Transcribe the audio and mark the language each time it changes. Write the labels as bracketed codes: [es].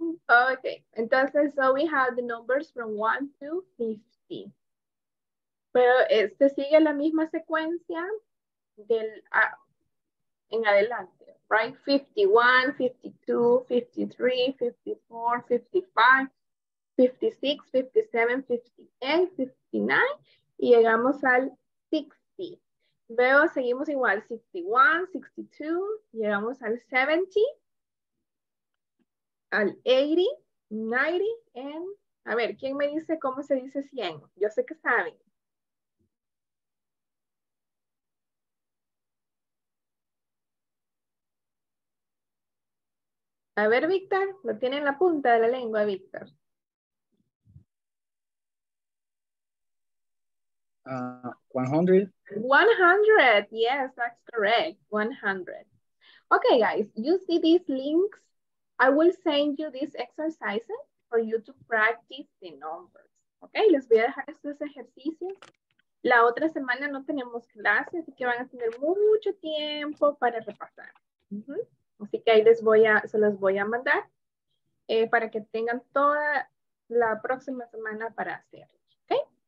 [en] Okay, entonces, so we have the numbers from 1 to 50. [es] Pero este sigue la misma secuencia del en adelante. [en] Right, 51, 52, 53, 54, 55, 56, 57, 58, 59, [es] y llegamos al 60. Veo, seguimos igual, 61, 62, llegamos al 70, al 80, 90, and, a ver, ¿quién me dice cómo se dice 100? Yo sé que saben. A ver, Víctor, lo tiene en la punta de la lengua, Víctor. [en] One hundred. Yes, that's correct. 100. Okay, guys, you see these links? I will send you these exercises for you to practice the numbers. [es] Okay, les voy a dejar estos ejercicios. La otra semana no tenemos clase, así que van a tener mucho tiempo para repasar. Así que ahí se los voy a mandar para que tengan toda la próxima semana para hacerlo. ¿Okay?